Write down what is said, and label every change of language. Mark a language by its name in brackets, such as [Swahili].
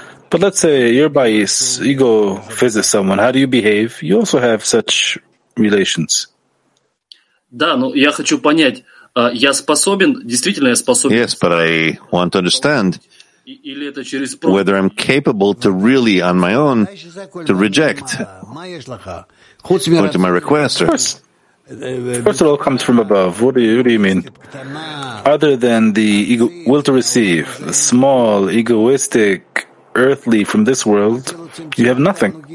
[English] But let's say your bias, ego visits someone. How do you behave? You also have such relations. [Russian] Да, но я хочу понять, я способен, действительно я способен. [English] Yes, but I want to understand whether I'm capable to really, on my own, to reject. According to my request. First of all, it comes from above. What do you mean? Other than the ego, will to receive, the small, egoistic, earthly from this world, you have nothing.